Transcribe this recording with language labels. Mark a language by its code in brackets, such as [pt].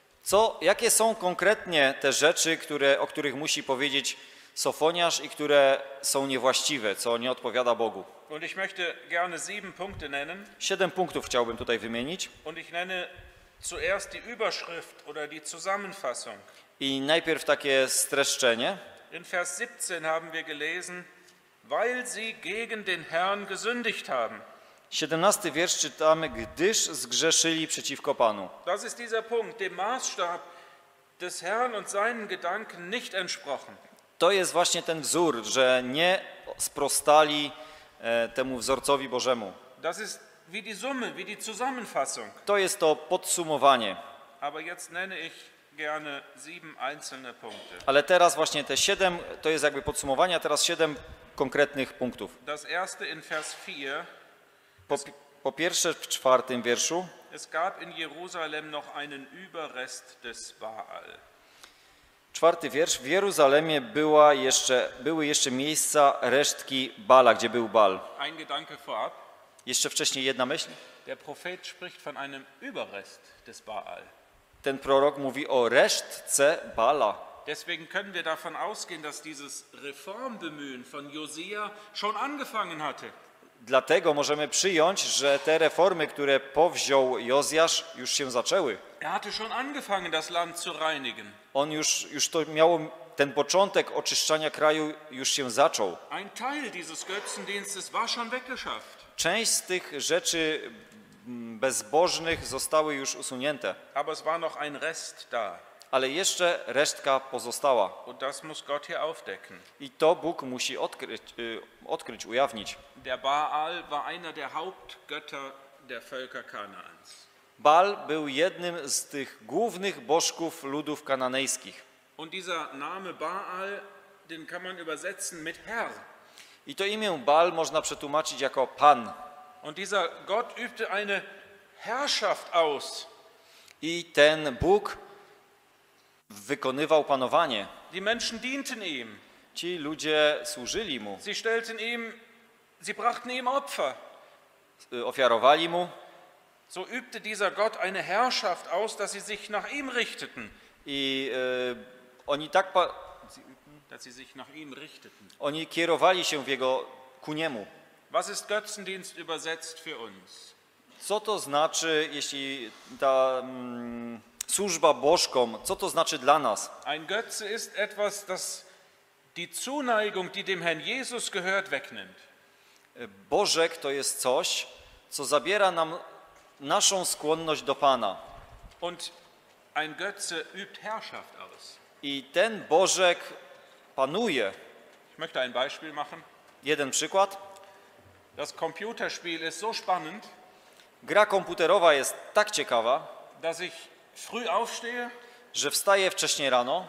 [pl] Co, jakie są konkretnie te rzeczy, które, o których musi powiedzieć Sofoniasz i które są niewłaściwe, co nie odpowiada Bogu? [de] Und ich möchte gerne sieben Punkte nennen. [pl] Siedem punktów chciałbym tutaj wymienić. [de] Und ich nenne zuerst die Überschrift oder die Zusammenfassung. [pl] I najpierw takie streszczenie. [de] In Vers 17 haben wir gelesen, weil sie gegen den Herrn gesündigt haben. [pl] 17 wiersz czytamy, gdyż zgrzeszyli przeciwko Panu. [de] Das ist dieser Punkt, dem Maßstab des Herrn und seinen Gedanken nicht entsprochen. [pl] To jest właśnie ten wzór, że nie sprostali temu wzorcowi Bożemu. [de] Das ist wie die Summe, wie die Zusammenfassung. [pl] To jest to podsumowanie. [de] Aber jetzt nenne ich gerne sieben einzelne Punkte. [pl] Ale teraz właśnie te 7, to jest jakby podsumowanie, a teraz 7 konkretnych punktów. [de] Das erste in Vers 4. [pl] Po pierwsze w czwartym wierszu. [de] Es gab in Jerusalem noch einen Überrest des Baal. [pl] Czwarty wiersz. W Jerozolimie były jeszcze miejsca resztki Bala, gdzie był Bal. [de] Ein Gedanke vorab. [pl] Jeszcze wcześniej jedna myśl. [de] Der Prophet spricht von einem Überrest des Baal. [pl] Ten prorok mówi o resztce Bala. [de] Deswegen können wir davon ausgehen, dass dieses Reformbemühen von Josia schon angefangen hatte. [pl] Dlatego możemy przyjąć, że te reformy, które powziął Jozjasz, już się zaczęły. [de] Er hatte schon angefangen, das Land zu reinigen. [pl] On już to miało, ten początek oczyszczania kraju już się zaczął. [de] Ein Teil dieses Götzendienstes war schon weggeschafft. [pl] Część z tych rzeczy bezbożnych zostały już usunięte. [de] Aber es war noch ein Rest da. [pl] Ale jeszcze resztka pozostała. [de] Und das muss Gott hier aufdecken. [pl] I to Bóg musi odkryć, ujawnić. [de] Der Baal war einer der Hauptgötter der Völker Kanaans. [pl] Baal był jednym z tych głównych bożków ludów kananejskich. [de] Und dieser Name Baal, den kann man übersetzen mit Herr. [pl] I to imię Baal można przetłumaczyć jako Pan. [de] Und dieser Gott übte eine Herrschaft aus. [pl] I ten Bóg wykonywał panowanie. [de] Die Menschen dienten ihm. [pl] Ci ludzie służyli mu. [de] Sie stellten ihm, sie brachten ihm Opfer. [pl] Ofiarowali mu. [de] So übte dieser Gott eine Herrschaft aus, dass sie sich nach ihm richteten. [pl] I oni tak [de] dass sie sich nach ihm richteten. [pl] Oni kierowali się w jego ku niemu. [de] Was ist Götzendienst übersetzt für uns? [pl] Co to znaczy, jeśli ta służba bożkom, co to znaczy dla nas? [de] Ein Götze ist etwas, das die Zuneigung, die dem Herrn Jesus gehört, wegnimmt. [pl] Bożek to jest coś, co zabiera nam naszą skłonność do Pana. [de] Und ein Götze übt Herrschaft aus. [pl] I ten Bożek panuje. [de] Ich möchte ein Beispiel machen. [pl] Jeden przykład. [de] Das Computerspiel ist so spannend. [pl] Gra komputerowa jest tak ciekawa, [de] dass ich früh aufstehe, [pl] że wstaję wcześnie rano